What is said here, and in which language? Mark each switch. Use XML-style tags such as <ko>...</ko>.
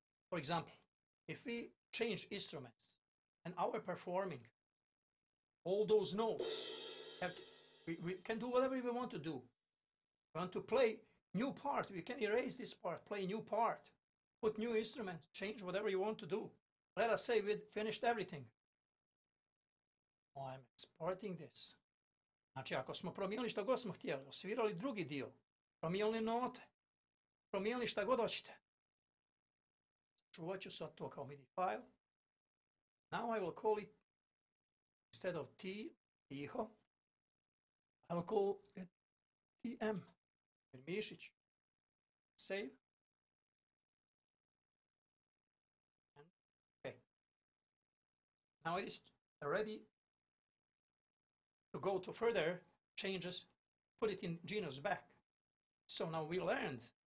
<en>For example, if we change instruments and our performing, all those notes, we can do whatever we want to do. We want to play new part, we can erase this part, play new part, put new instruments, change whatever you want to do. Let us say we finished everything. Oh, I'm exporting this.</en> <hr>Znači, ako smo promijenili što god smo htjeli, osvirali drugi dio, promijenili note, promijenili što god hoćete, čuvat ću sad to kao MIDI file.</hr> <en>Now I will call it, instead of Tiho, I will call it TM, Mišić. Save. And okay. Now it is ready to go to further changes, put it in Genos back. So now we learned.</en>